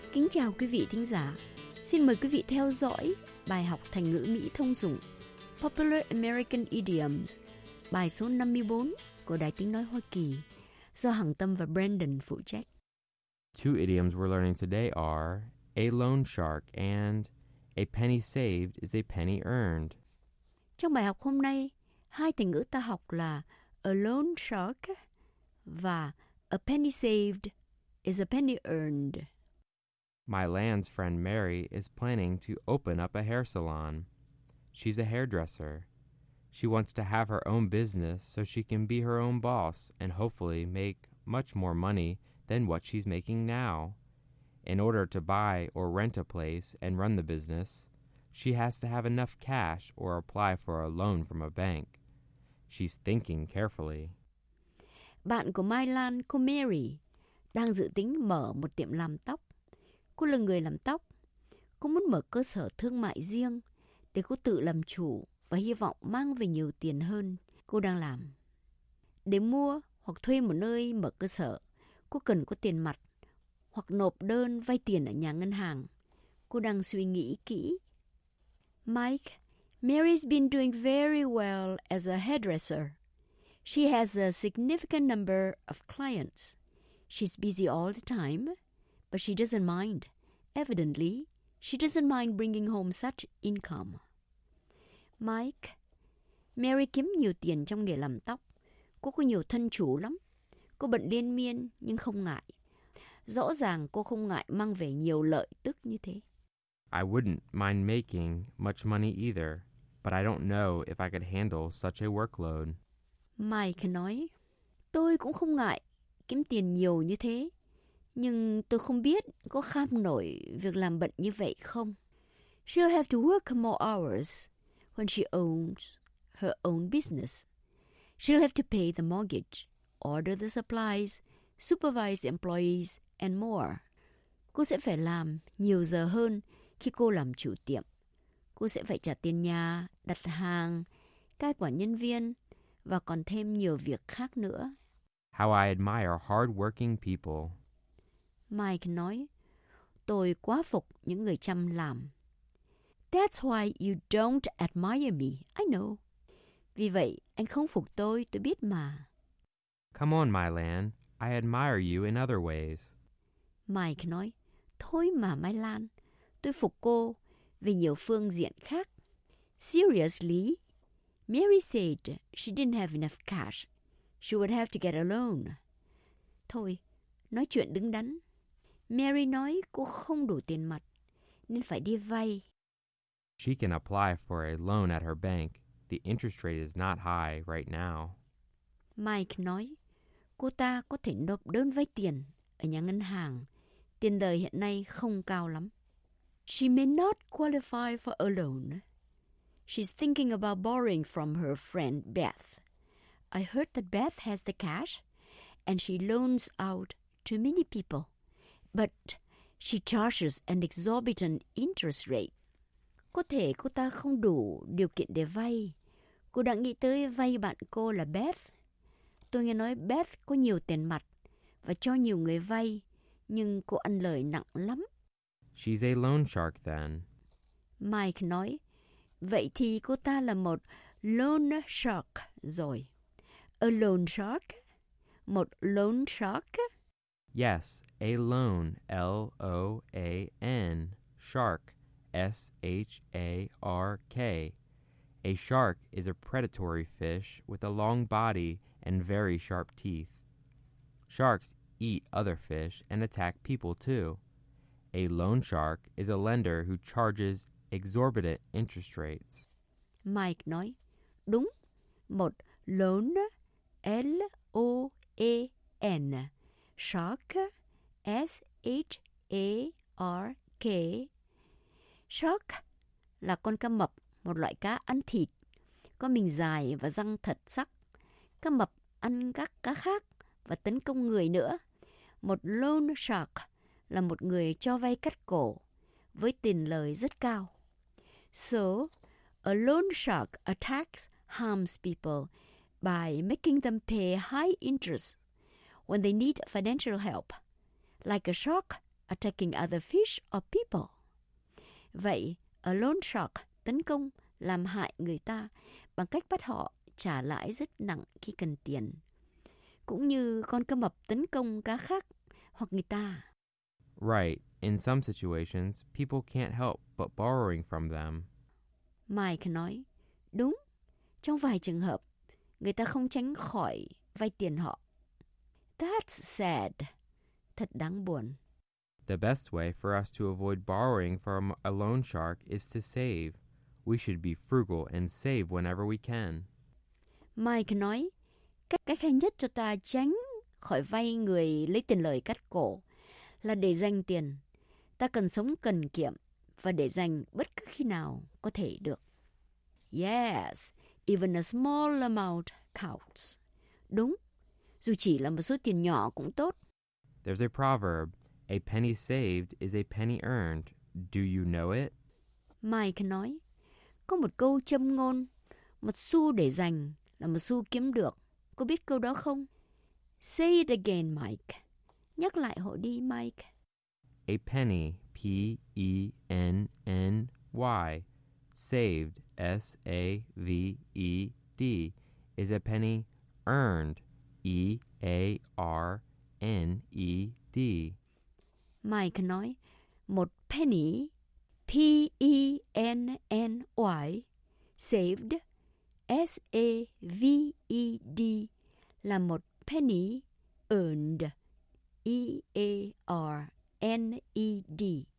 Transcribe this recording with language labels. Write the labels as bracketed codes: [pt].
[vi] Chào quý vị thính giả. Xin mời quý vị theo dõi bài học thành ngữ Mỹ thông dụng Popular American Idioms, bài số 54 của Đài Tiếng Nói Hoa Kỳ do Hằng Tâm và Brandon phụ trách. [en] Two idioms we're learning today are a loan shark and a penny saved is a penny earned. [vi] Trong bài học hôm nay, hai thành ngữ ta học là a loan shark và [en] a penny saved is a penny earned. My land's friend Mary is planning to open up a hair salon. She's a hairdresser. She wants to have her own business so she can be her own boss and hopefully make much more money than what she's making now. In order to buy or rent a place and run the business, she has to have enough cash or apply for a loan from a bank. She's thinking carefully. [vi] Bạn của My Lan, cô Mary, đang dự tính mở một tiệm làm tóc. Cô là người làm tóc. Cô muốn mở cơ sở thương mại riêng để cô tự làm chủ và hy vọng mang về nhiều tiền hơn cô đang làm. Để mua hoặc thuê một nơi mở cơ sở, cô cần có tiền mặt hoặc nộp đơn vay tiền ở nhà ngân hàng. Cô đang suy nghĩ kỹ. [en] Mike, Mary's been doing very well as a hairdresser. She has a significant number of clients. She's busy all the time, but she doesn't mind. Evidently, she doesn't mind bringing home such income. [vi] Mike, Mary kiếm nhiều tiền trong nghề làm tóc. Cô có nhiều thân chủ lắm. Cô bận liên miên nhưng không ngại. Rõ ràng cô không ngại mang về nhiều lợi tức như thế. [en] I wouldn't mind making much money either, but I don't know if I could handle such a workload. [vi] Mike nói, tôi cũng không ngại kiếm tiền nhiều như thế, nhưng tôi không biết có kham nổi việc làm bận như vậy không. [en] She'll have to work more hours when she owns her own business. She'll have to pay the mortgage, order the supplies, supervise employees, and more. [vi] Cô sẽ phải làm nhiều giờ hơn khi cô làm chủ tiệm. Cô sẽ phải trả tiền nhà, đặt hàng, cai quản nhân viên, và còn thêm nhiều việc khác nữa. [en] How I admire hard-working people. [vi] Mike nói, tôi quá phục những người chăm làm. [en] That's why you don't admire me, I know. [vi] Vì vậy, anh không phục tôi biết mà. [en] Come on, Mylan. I admire you in other ways. [vi] Mike nói, thôi mà, Mylan. Tôi phục cô về nhiều phương diện khác. [en] Seriously, Mary said she didn't have enough cash. She would have to get a loan. [vi] Thôi, nói chuyện đứng đắn. Mary nói cô không đủ tiền mặt, nên phải đi vay. [en] She can apply for a loan at her bank. The interest rate is not high right now. [vi] Mike nói, cô ta có thể nộp đơn vay tiền ở nhà ngân hàng. Tiền lời hiện nay không cao lắm. [en] She may not qualify for a loan. She's thinking about borrowing from her friend Beth. I heard that Beth has the cash and she loans out to many people. But she charges an exorbitant interest rate. [vi] Có thể cô ta không đủ điều kiện để vay. Cô đã nghĩ tới vay bạn cô là Beth. Tôi nghe nói Beth có nhiều tiền mặt và cho nhiều người vay, nhưng cô ăn lời nặng lắm. [en] She's a loan shark then. [vi] Mike nói, vậy thì cô ta là một loan shark rồi. [en] A loan shark? [vi] Một loan shark? [en] Yes, a loan, L-O-A-N, shark, S-H-A-R-K. A shark is a predatory fish with a long body and very sharp teeth. Sharks eat other fish and attack people too. A loan shark is a lender who charges exorbitant interest rates. [vi] Mike nói, đúng, một loan, L-O-A-N, shark, S-H-A-R-K. Shark là con cá mập, một loại cá ăn thịt, có mình dài và răng thật sắc. Cá mập ăn các cá khác và tấn công người nữa. Một loan shark là một người cho vay cắt cổ với tiền lời rất cao. [en] So, a loan shark attacks, harms people by making them pay high interest when they need financial help, like a shark attacking other fish or people. [vi] Vậy, a loan shark tấn công làm hại người ta bằng cách bắt họ trả lãi rất nặng khi cần tiền. Cũng như con cá mập tấn công cá khác hoặc người ta. [en] Right. In some situations, people can't help but borrowing from them. [vi] Mike nói, đúng. Trong vài trường hợp, người ta không tránh khỏi vay tiền họ. [en] That's sad. [vi] Thật đáng buồn. [en] The best way for us to avoid borrowing from a loan shark is to save. We should be frugal and save whenever we can. [vi] Mike nói, cách hay nhất cho ta tránh khỏi vay người lấy tiền lời cắt cổ là để dành tiền. Ta cần sống cần kiệm và để dành bất cứ khi nào có thể được. [en] Yes, even a small amount counts. [vi] Đúng, dù chỉ là một số tiền nhỏ cũng tốt. [en] There's a proverb, a penny saved is a penny earned. Do you know it? [vi] Mike nói, có một câu châm ngôn, một xu để dành là một xu kiếm được. Cô biết câu đó không? [en] Say it again, Mike. [vi] Nhắc lại hộ đi, Mike. [en] a penny, P-E-N-N-Y, saved, S-A-V-E-D, is a penny earned, E-A-R-N-E-D. [vi] Mike nói, một penny, P-E-N-N-Y, saved, S-A-V-E-D, là một penny earned, E-A-R-N-E-D.